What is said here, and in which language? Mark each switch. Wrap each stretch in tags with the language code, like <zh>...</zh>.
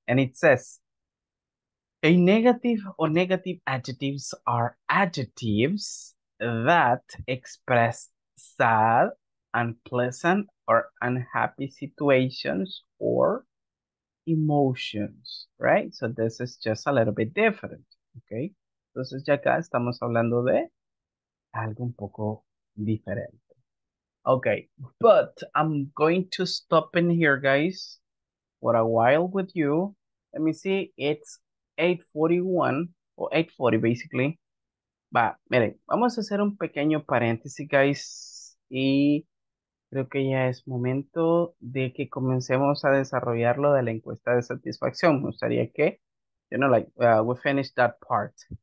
<en>And it says, a negative or negative adjectives are adjectives that express sad, unpleasant, or unhappy situations or emotions, right? So this is just a little bit different, okay?</en> <es>Entonces ya acá estamos hablando de algo un poco diferente.</es> <en>Okay, but I'm going to stop in here, guys, for a while with you. Let me see, it's 8:41 o 8:40 basically.</en> <es>Va, miren, vamos a hacer un pequeño paréntesis, guys, y creo que ya es momento de que comencemos a desarrollar lo de la encuesta de satisfacción. Me gustaría que,</es> <en>you know, like, we finish that part.</en>